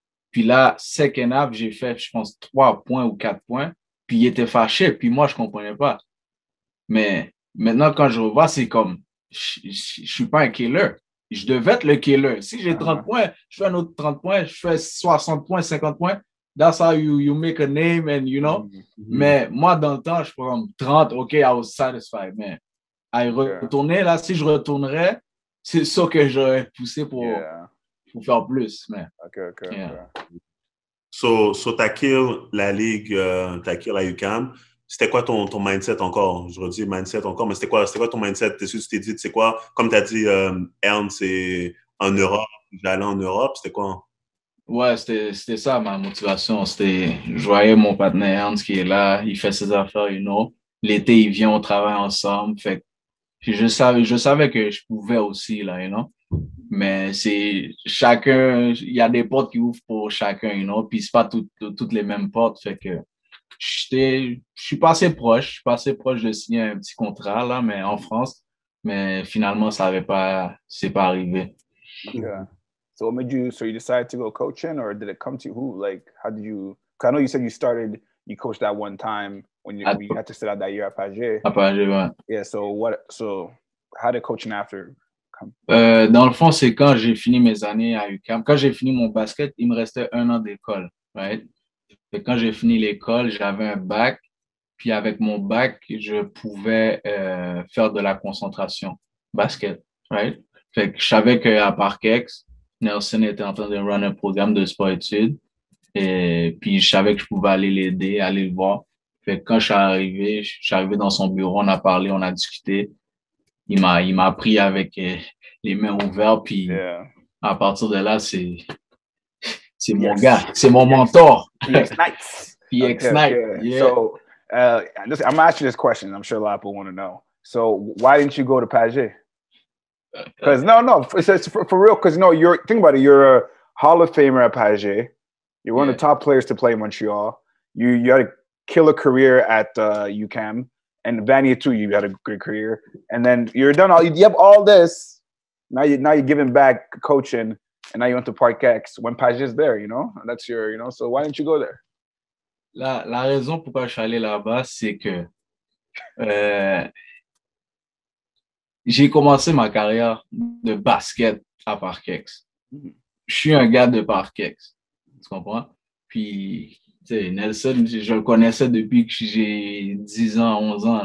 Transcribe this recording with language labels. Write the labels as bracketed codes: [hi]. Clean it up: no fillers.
[fr] Puis là, [en] second half, [fr] j'ai fait, je pense, 3 points ou 4 points. Puis ils étaient fâchés, puis moi, je ne comprenais pas. Mais maintenant, quand je revois, c'est comme, je ne suis pas un killer. Je devais être le killer. Si j'ai 30 points, je fais un autre 30 points, je fais 60 points, 50 points. [en] That's how you make a name and you know. [fr] Mais moi, dans le temps, je prends 30, OK, [en] I was satisfied. [fr] Mais à y retourner, là, si je retournerais, c'est ça que j'aurais poussé pour faire plus. Mais, [en] OK. Yeah. [fr] So, t'as kill la ligue, t'as kill la UCAM. C'était quoi ton mindset encore? Je redis mindset encore, mais c'était quoi ton mindset? Tu t'es dit, c'est quoi? Comme tu as dit, Ernst, c'est en Europe, j'allais en Europe, c'était quoi? Ouais, c'était ça ma motivation. C'était, je voyais mon partenaire Ernst qui est là, il fait ses affaires, [en] you know. [fr] L'été, il vient, on travaille ensemble. Fait que je savais que je pouvais aussi, là, [en] you know. [fr] Mais c'est chacun, il y a des portes qui ouvrent pour chacun, [en] you know. [fr] Puis c'est pas toutes les mêmes portes, fait que. Je suis pas assez proche de signer un petit contrat là, mais en France, mais finalement ça avait pas, c'est pas arrivé. [en] Yeah. So what made you, so you decided to go coaching or did it come to you? Who, like, how did you, I know you said you started, you coached that one time when you had to sit out that year at Pagé. [fr] À Pagé, ouais. [en] Yeah, so how did coaching after come? [fr] Dans le fond, c'est quand j'ai fini mes années à UCAM, quand j'ai fini mon basket, il me restait un an d'école, [en] right? [fr] Et quand j'ai fini l'école, j'avais un bac. Puis avec mon bac, je pouvais faire de la concentration basket, [en] right? [fr] Fait que je savais qu'à Parkex, Nelson était en train de run un programme de sport-études. Et puis je savais que je pouvais aller l'aider, aller le voir. Fait que quand je suis arrivé dans son bureau, on a parlé, on a discuté. Il m'a pris avec les mains ouvertes. Puis à partir de là, c'est mon gars, c'est mon mentor. [en] PX Knight. Yeah. So, I'm asking this question. I'm sure a lot of people want to know. So, why didn't you go to Pagé? Because, no, for real, because, no, you're, think about it, you're a Hall of Famer at Pagé. You're one of the top players to play in Montreal. you had a killer career at UCAM, and Vanier too. You had a great career, and then you're done. You have all this. Now you're giving back coaching, and now you went to Park X when Paget's there. You know, and that's your. You know, so why didn't you go there? [fr] La raison pourquoi je suis allé là-bas, c'est que j'ai commencé ma carrière de basket à Park X. Je suis un gars de Park X, tu comprends? Puis, tu sais, Nelson, je le connaissais depuis que j'ai 10 ans, 11 ans.